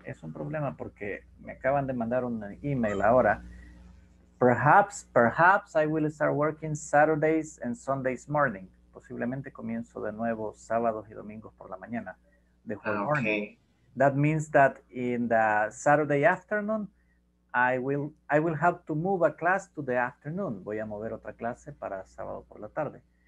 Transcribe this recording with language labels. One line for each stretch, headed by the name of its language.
Spanish: Es un problema porque me acaban de mandar un email ahora.
English: Perhaps I will start working Saturdays and Sundays morning.
Spanish: Posiblemente comienzo de nuevo sábados y domingos por la mañana.
English: The whole morning. Okay. That means that in the Saturday afternoon, I will have to move a class to the afternoon.
Spanish: Voy a mover otra clase para sábado por la tarde.